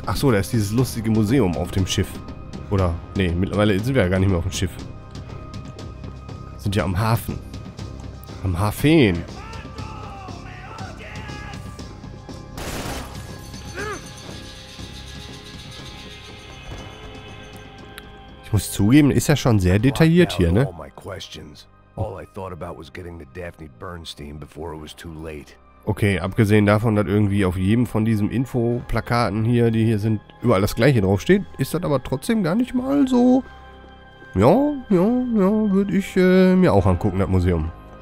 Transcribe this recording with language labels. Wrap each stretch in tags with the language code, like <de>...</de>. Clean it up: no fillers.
<de>Achso, da ist dieses lustige Museum auf dem Schiff. Oder, nee, mittlerweile sind wir ja gar nicht mehr auf dem Schiff. Sind ja am Hafen. Am Hafen. Ich muss zugeben, ist ja schon sehr detailliert hier, ne?</de> <en>All I thought about was getting to Daphne Bernstein before it was too late.</en> <de>Okay, abgesehen davon, dass irgendwie auf jedem von diesen Infoplakaten hier, die hier sind, überall das gleiche draufsteht, ist das aber trotzdem gar nicht mal so. Ja, würde ich mir auch angucken, das Museum.</de>